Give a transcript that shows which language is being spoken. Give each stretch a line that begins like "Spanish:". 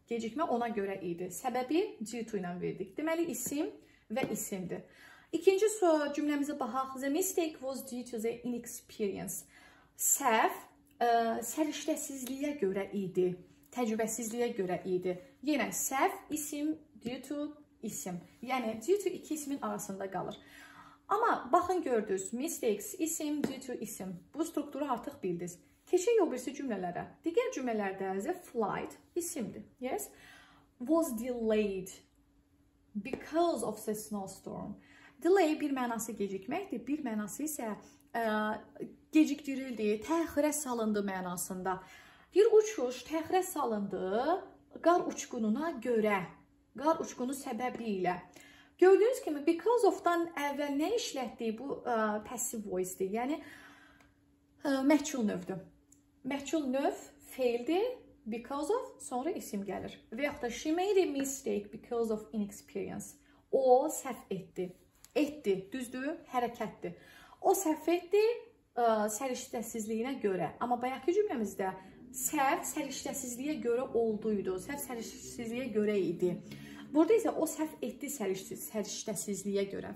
Azerbaijani: Gecikmə ona görə idi. Səbəbi due to ilə verdik. Deməli, isim və isimdir. İkinci cümləmizə baxaq.
English: The mistake was due to the inexperience.
Azerbaijani: Səhv. Səriştəsizliyə görə idi, təcrübəsizliyə görə idi. Yenə səhv, isim, due to, isim. Yəni, due to iki ismin arasında qalır. Amma baxın gördünüz, mistakes, isim, due to, isim. Bu strukturu artıq bildiniz. Keçək o birisi cümlələrə. Digər cümlələrdə the flight, isimdir.
English: Yes? Was delayed because of the snowstorm.
Azerbaijani: Delay bir mənası gecikməkdir, bir mənası isə gecikdirildi, təxirə salındı mənasında. Bir uçuş təxirə salındı qar uçqununa görə, qar uçqunu səbəbiylə. Gördüyünüz kimi, because of-dan əvvəl nə işlətdi? Bu passive voice-dir, yəni məchul növdür. Məchul növ feildir, because of, sonra isim gəlir.
English: Və yaxud da she made a mistake because of inexperience.
Azerbaijani: O səhv etdi. Etdi, düzdür, hərəkətdir. O səhv etdi səriştəsizliyinə görə. Amma bayaqki cümləmizdə səhv səriştəsizliyə görə olduydu. Səhv səriştəsizliyə görə idi. Burada isə o səhv etdi səriştəsizliyə görə.